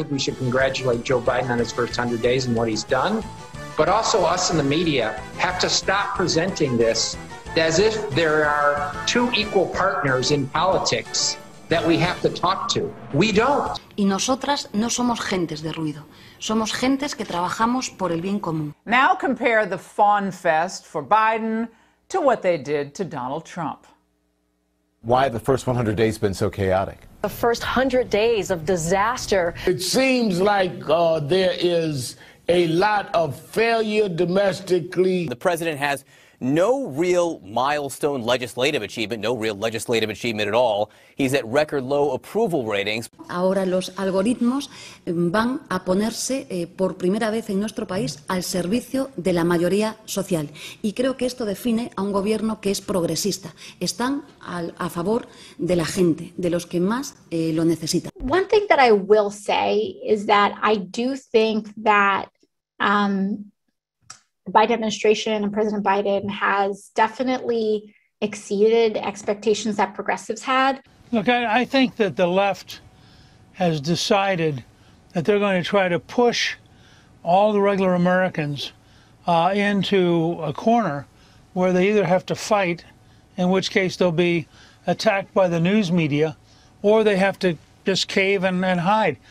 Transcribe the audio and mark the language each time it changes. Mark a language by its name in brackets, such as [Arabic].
[English] And I think we should congratulate Joe Biden on his first 100 days and what he's done. But also us in the media have to stop presenting this as if there are two equal partners in politics that we have to talk to. We don't. [Spanish] Y nosotras no somos gentes de ruido. Somos gentes que trabajamos por el bien común. [English] Now compare the fawn fest for Biden to what they did to Donald Trump. Why have the first 100 days been so chaotic? The first 100 days of disaster. It seems like there is a lot of failure domestically. The president has no real milestone legislative achievement, no real legislative achievement at all. He's at record low approval ratings. [Spanish] Ahora los algoritmos van a ponerse por primera vez en nuestro país al servicio de la mayoría social. Y creo que esto define a un gobierno que es progresista. Están a favor de la gente, de los que más lo necesitan. [English] One thing that I will say is that I do think that Biden administration and President Biden has definitely exceeded expectations that progressives had. Look, I think that the left has decided that they're going to try to push all the regular Americans into a corner where they either have to fight, in which case they'll be attacked by the news media, or they have to just cave and hide.